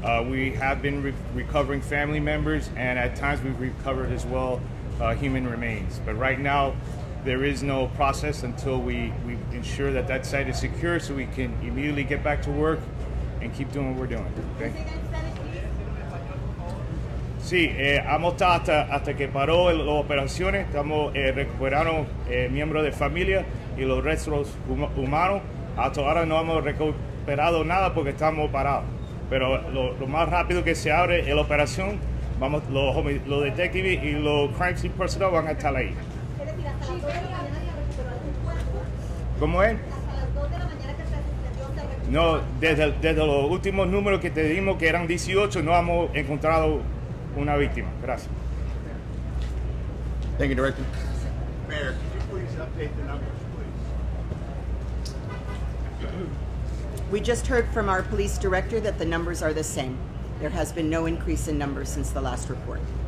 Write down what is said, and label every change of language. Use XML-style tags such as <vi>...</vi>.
<en>We have been recovering family members, and at times we've recovered as well human remains. But right now, there is no process until we ensure that that site is secure so we can immediately get back to work and keep doing what we're doing. Okay?</en> <es>Sí, hasta que paró las operaciones, estamos recuperando miembros de familia y los restos humanos. Hasta ahora no hemos recuperado nada porque estamos parados. Pero lo más rápido que se abre es la operación, vamos los detectives y los</es> <en>crime scene personnel</en> <es>van a estar ahí. ¿Es decir, hasta las 2 de la mañana ya recuperó algún cuerpo? ¿Cómo es? Hasta las 2 de la mañana que se recuperó. No, desde los últimos números que te dimos, que eran 18, no hemos encontrado una víctima. Gracias.</es> <en>Thank you, Director. Mayor, could you please update the numbers, please? We just heard from our police director that the numbers are the same. There has been no increase in numbers since the last report.</en>